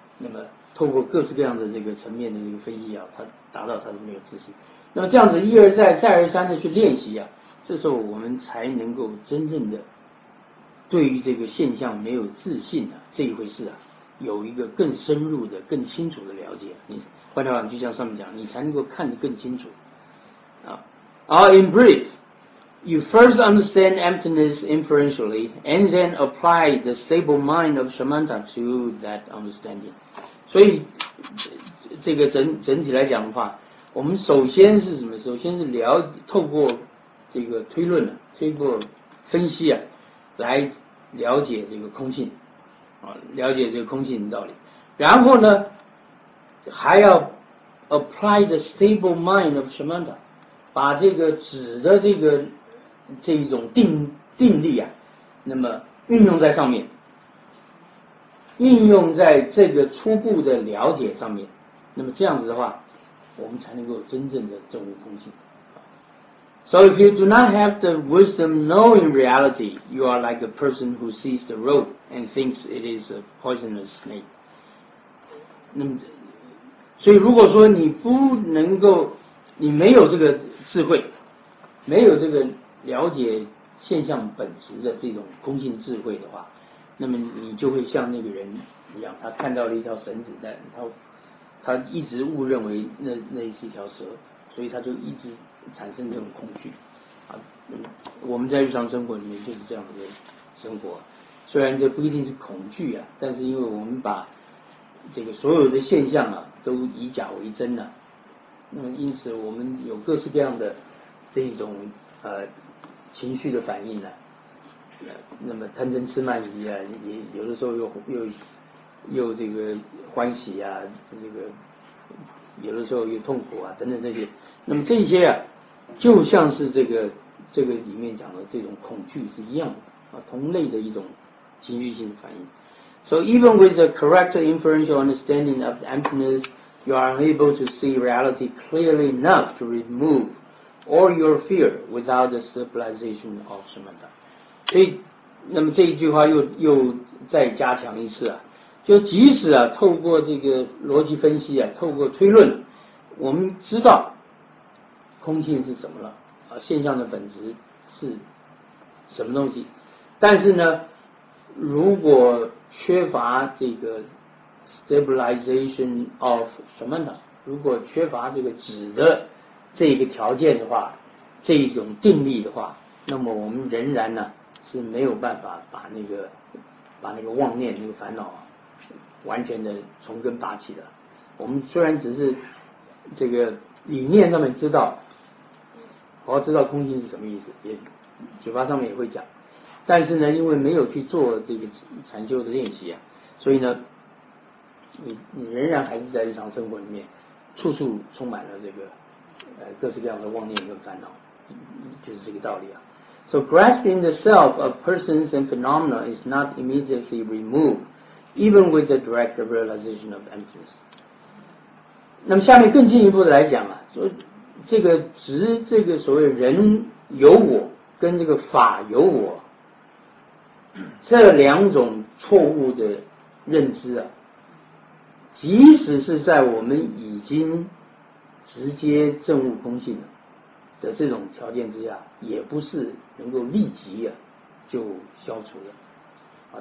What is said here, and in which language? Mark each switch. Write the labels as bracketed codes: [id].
[zh] 那么透过各式各样的这个层面的一个分析啊，它达到它是没有自信。那么这样子一而再再而三的去练习啊，这时候我们才能够真正的对于这个现象没有自信啊这一回事啊，有一个更深入的更清楚的了解。你换句话讲，就像上面讲，你才能够看得更清楚啊。 [en] In brief, you first understand emptiness inferentially and then apply the stable mind of shamatha to that understanding. [zh] 所以这个整体来讲的话，我们首先是什么？首先是了透过这个推论啊，透过分析啊，来了解这个空性啊，了解这个空性的道理。然后呢，还要 [en] apply the stable mind of shamatha， [zh] 把这个止的这一种定力啊，那么运用在上面，运用在这个初步的了解上面。那么这样子的话，我们才能够真正的证悟空性。 [en] So if you do not have the wisdom knowing reality, you are like a person who sees the rope and thinks it is a poisonous snake. [zh] 那么，所以如果说你不能够，你没有这个智慧，没有这个了解现象本质的这种空性智慧的话，那么你就会像那个人一样，他看到了一条绳子，但他一直误认为那是一条蛇，所以他就一直产生这种恐惧啊。我们在日常生活里面就是这样的生活，虽然这不一定是恐惧啊，但是因为我们把这个所有的现象啊都以假为真了，那么因此我们有各式各样的这种情绪的反应呢、啊。那么贪嗔痴慢疑啊，也有的时候又这个欢喜啊，这个有的时候又痛苦啊，等等这些。那么这些啊，就像是这个里面讲的这种恐惧是一样的啊，同类的一种情绪性反应。 [en] So even with the correct inferential understanding of emptiness, you are unable to see reality clearly enough to remove all your fear without the stabilization of samatha. [zh] 所以，那么这一句话又再加强一次啊，就即使啊，透过这个逻辑分析啊，透过推论，我们知道空性是什么了啊，现象的本质是什么东西，但是呢，如果缺乏这个 [en] stabilization of [zh] 什么呢？如果缺乏这个止的这个条件的话，这一种定力的话，那么我们仍然呢是没有办法把那个妄念、那个烦恼完全的从根拔起的。我们虽然只是这个理念上面知道，我知道空性是什么意思，也嘴巴上面也会讲。但是呢，因为没有去做这个禅修的练习啊，所以呢，你仍然还是在日常生活里面，处处充满了这个各式各样的妄念跟烦恼，就是这个道理啊。 [en] So grasping the self of persons and phenomena is not immediately removed, even with the direct realization of emptiness. [zh] 那么下面更进一步的来讲啊，说这个执这个所谓人有我跟这个法有我。这两种错误的认知啊，即使是在我们已经直接证悟空性的这种条件之下，也不是能够立即啊就消除的啊。